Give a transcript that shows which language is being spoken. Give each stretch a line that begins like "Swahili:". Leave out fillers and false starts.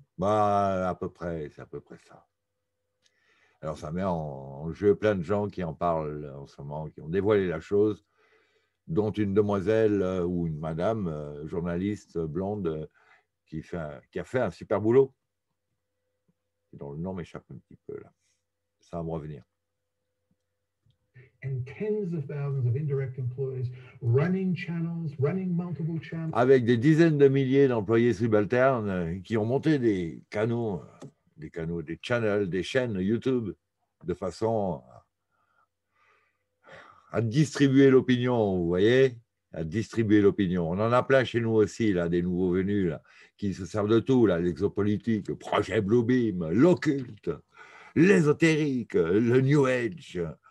French: Bah, à peu près, c'est à peu près ça. Alors, ça met en jeu plein de gens qui en parlent en ce moment, qui ont dévoilé la chose, dont une demoiselle ou une madame journaliste blonde qui a fait un super boulot, dont le nom m'échappe un petit peu là. Ça va me revenir.
English: And tens of thousands of indirect employees running channels, running multiple channels.
French: Avec des dizaines de milliers d'employés subalternes qui ont monté des canaux, des channels, des chaînes YouTube, de façon à distribuer l'opinion, vous voyez, à distribuer l'opinion. On en a plein chez nous aussi, là, des nouveaux venus, là, qui se servent de tout, là, l'exopolitique, le projet Blue Beam, l'occulte, l'ésotérique, le New Age.